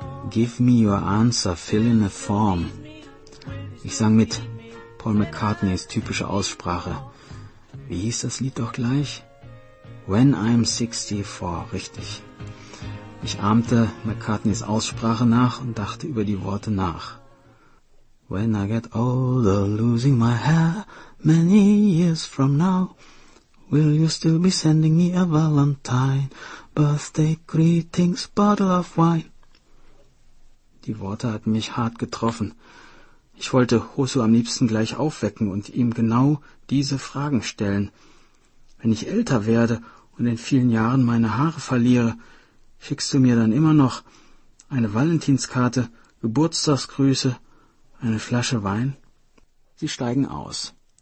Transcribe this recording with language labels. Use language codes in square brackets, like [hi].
[en] Give me your answer, fill in a form. [de] Ich sang mit. Paul McCartneys typische Aussprache. Wie hieß das Lied doch gleich? [en] When I'm 64, [de] richtig. Ich ahmte McCartneys Aussprache nach und dachte über die Worte nach. [en] When I get older, losing my hair, many years from now, will you still be sending me a valentine, birthday greetings, bottle of wine? [de] Die Worte hatten mich hart getroffen. Ich wollte Hosu am liebsten gleich aufwecken und ihm genau diese Fragen stellen. Wenn ich älter werde und in vielen Jahren meine Haare verliere, schickst du mir dann immer noch eine Valentinskarte, Geburtstagsgrüße, eine Flasche Wein? Sie steigen aus.